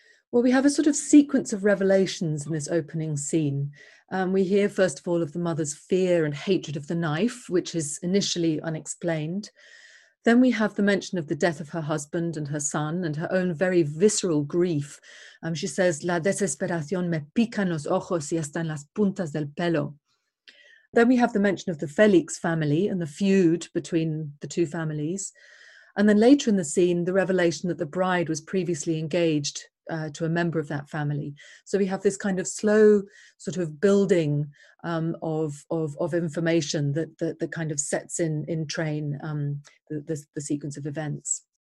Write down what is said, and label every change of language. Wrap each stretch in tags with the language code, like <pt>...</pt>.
<en>Well, we have a sort of sequence of revelations in this opening scene. We hear, first of all, of the mother's fear and hatred of the knife, which is initially unexplained. Then we have the mention of the death of her husband and her son and her own very visceral grief.</en> <es>She says, "La desesperación me pica en los ojos y hasta en las puntas del pelo."</es> <en>Then we have the mention of the Félix family and the feud between the two families. And then later in the scene, the revelation that the bride was previously engaged to a member of that family. So we have this kind of slow sort of building of information that kind of sets in train the sequence of events.</en>